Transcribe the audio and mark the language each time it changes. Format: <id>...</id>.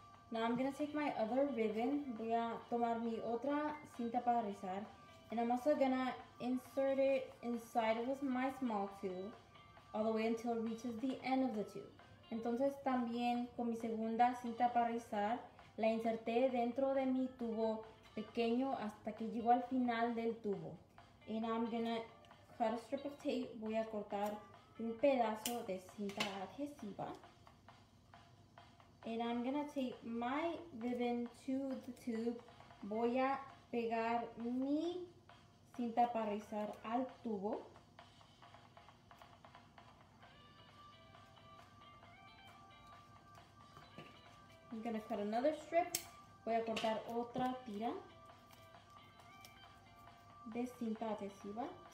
<en>Now I'm gonna take my other ribbon.</en> <es>Voy a tomar mi otra cinta para rizar.</es> <en>And I'm also gonna insert it inside of my small tube all the way until it reaches the end of the tube.</en> <es>Entonces también con mi segunda cinta para rizar, la inserté dentro de mi tubo pequeño hasta que llegó al final del tubo.</es> <en>And I'm gonna cut a strip of tape.</en> <es>Voy a cortar un pedazo de cinta adhesiva.</es> <en>And I'm gonna tape my ribbon to the tube.</en> <es>Voy a pegar mi cinta para rizar al tubo.</es> <en>I'm gonna cut another strip.</en> <es>Voy a cortar otra tira de cinta adhesiva.</es>